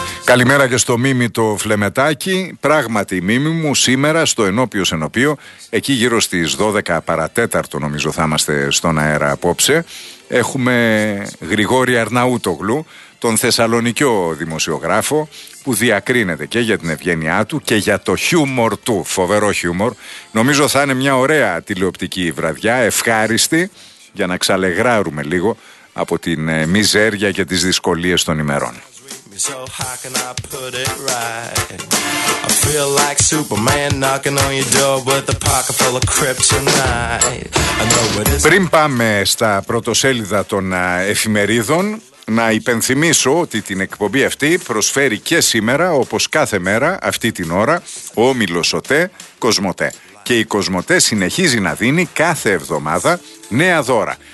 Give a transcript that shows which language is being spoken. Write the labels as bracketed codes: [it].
[el] Καλημέρα και στο Μίμη το Φλεμετάκι. Πράγματι, Μίμη μου, σήμερα στο ενώπιο, εκεί γύρω στις 12 παρατέταρτο νομίζω θα είμαστε στον αέρα απόψε, έχουμε Γρηγόρη Αρναούτογλου, τον Θεσσαλονικιό δημοσιογράφο, που διακρίνεται και για την ευγένειά του και για το χιούμορ του, φοβερό χιούμορ. Νομίζω θα είναι μια ωραία τηλεοπτική βραδιά, ευχάριστη, για να ξαλεγράρουμε λίγο από την μιζέρια και τις δυσκολίες των ημερών. [en] So how can I put it right? I feel like Superman knocking on your door with a pocket full of kryptonite. [el] Πριν πάμε στα πρωτοσέλιδα των εφημερίδων, να υπενθυμίσω ότι την εκπομπή αυτή προσφέρει και σήμερα, όπως κάθε μέρα, αυτή την ώρα, ο Όμιλος ΟΤΕ, Κοσμοτέ. Και η Κοσμοτέ συνεχίζει να δίνει κάθε εβδομάδα νέα δώρα.